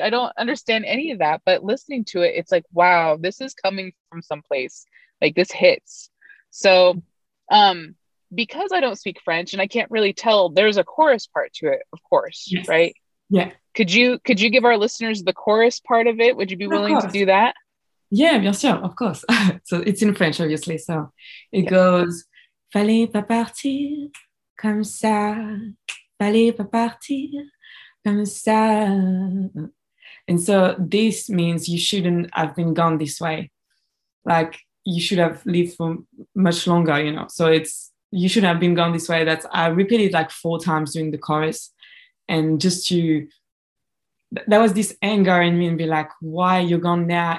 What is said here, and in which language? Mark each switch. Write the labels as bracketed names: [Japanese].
[English] I don't understand any of that, but listening to it, it's like, wow, this is coming from someplace. Like, this hits. So, because I don't speak French and I can't really tell, there's a chorus part to it, of course. Yes. Right. Yeah. Could you give our listeners the chorus part of it? Would you be willing to do that? Yeah, [French] bien sûr, [English] of course. So it's in French, obviously. [French] So it goes, fallait pas partir comme ça. Fallait pas partir comme ça. [English] And so this means you shouldn't have been gone this way. Like, you should have lived for much longer, you know. So it's, you shouldn't have been gone this way. That's, I repeated like 4 times during the chorus. And just to, there was this anger in me and be like, why you're gone now?